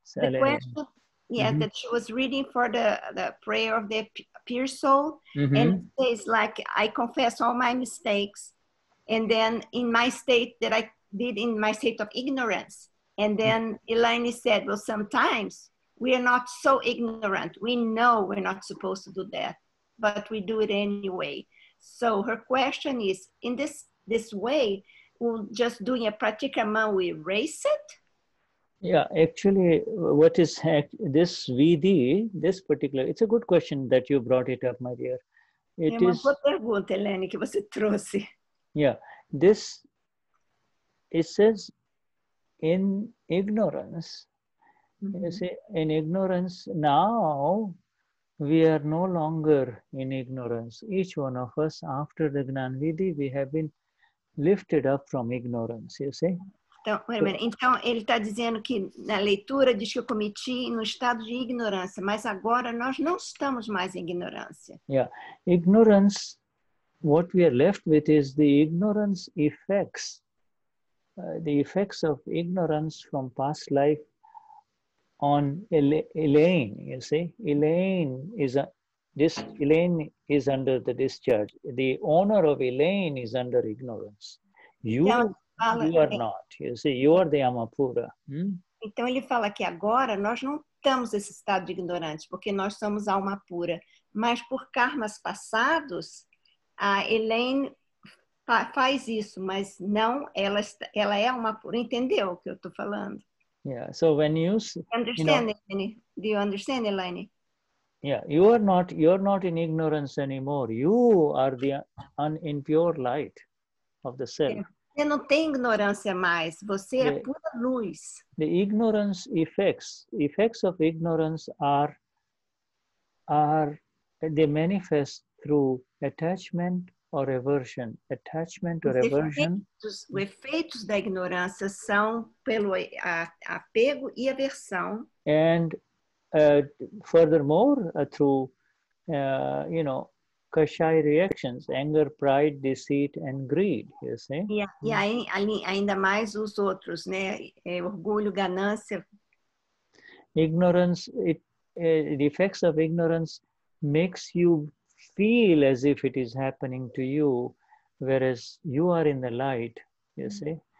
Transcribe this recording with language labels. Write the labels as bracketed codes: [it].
[en] The question, yeah, mm-hmm, that she was reading for the prayer of the pure soul, mm-hmm, and it says like, I confess all my mistakes, and then in my state that I did in my state of ignorance, and then Elaine said, well, sometimes we are not so ignorant, we know we're not supposed to do that, but we do it anyway. So her question is, in this way, will just doing a pratikrama, we erase it? Yeah, actually, what is this vidhi, this particular, it's a good question that you brought it up, my dear. It is [pt] uma boa pergunta, Eleni, que você trouxe. [en] Yeah, this, it says, in ignorance, mm-hmm, you see, in ignorance, now we are no longer in ignorance. Each one of us, after the Gnan Vidhi, we have been lifted up from ignorance, you see. [pt] Então, ele está dizendo que na leitura diz que eu cometi no estado de ignorância, mas agora nós não estamos mais em ignorância. [en] Yeah. Ignorance, what we are left with is the ignorance effects. The effects of ignorance from past life on Elaine, you see. Elaine is This Elaine is under the discharge. The owner of Elaine is under ignorance. You are not. You see, you are the Amapura. Hmm? [pt] Então ele fala que agora nós não estamos nesse estado de ignorante, porque nós somos alma pura. Mas por karmas passados, a Elaine faz isso, mas não ela, ela é alma pura. Entendeu o que eu estou falando? [en] Yeah, so when you... Do you understand, Elaine? Yeah, you are not in ignorance anymore. You are the impure light of the self. [pt] Você não tem ignorância mais, você é pura luz. [en] The ignorance effects of ignorance are they manifest through attachment or aversion. Attachment or aversion. [pt] Os efeitos da ignorância são pelo apego e aversão. [en] And furthermore, through you know, Kashai reactions, anger, pride, deceit, and greed, you see? [pt] Yeah, yeah. E aí, ainda mais os outros, né? Orgulho, ganância. [en] Ignorance, the effects of ignorance makes you feel as if it is happening to you, whereas you are in the light, you see?